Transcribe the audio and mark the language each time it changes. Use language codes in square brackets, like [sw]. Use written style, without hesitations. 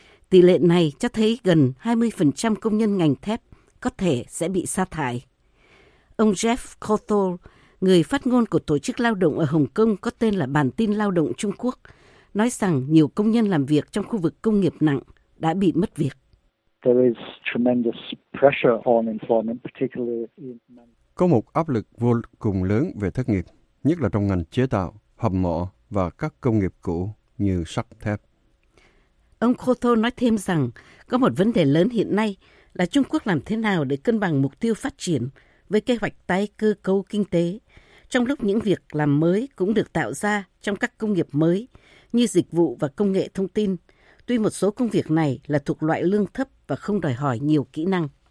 [vi] Tỷ lệ này cho thấy gần 20% công nhân ngành thép có thể sẽ bị sa thải. Ông Jeff Cawthorne, người phát ngôn của Tổ chức Lao động ở Hồng Kông có tên là Bản tin Lao động Trung Quốc, nói rằng nhiều công nhân làm việc trong khu vực công nghiệp nặng đã bị mất việc. [en] There is tremendous pressure on employment, particularly in. [vi] Có một áp lực vô cùng lớn về thất nghiệp, nhất là trong ngành chế tạo, hầm mỏ và các công nghiệp cũ như sắt thép. Ông Khoto nói thêm rằng có một vấn đề lớn hiện nay là Trung Quốc làm thế nào để cân bằng mục tiêu phát triển với kế hoạch tái cơ cấu kinh tế, trong lúc những việc làm mới cũng được tạo ra trong các công nghiệp mới như dịch vụ và công nghệ thông tin, tuy một số công việc này là thuộc loại lương thấp và không đòi hỏi nhiều kỹ năng.